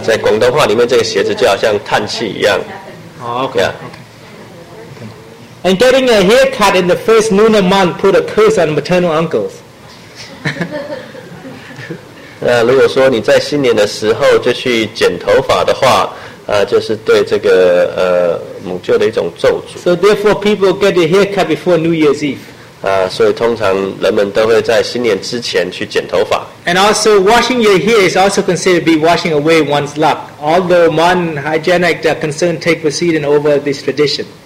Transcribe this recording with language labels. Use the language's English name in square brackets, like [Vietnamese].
[Chinese] 在广东话里面，这个鞋子就好像叹气一样。 [English] Okay. And getting a haircut in the first lunar month put a curse on maternal uncles. [Chinese] 那如果说你在新年的时候就去剪头发的话，就是对这个母舅的一种咒诅。 [English] So therefore, people get a haircut before New Year's Eve. [Chinese] 所以通常人们都会在新年之前去剪头发。 [English] And also, washing your hair is also considered to be washing away one's luck, although modern hygienic concern take precedence over this tradition.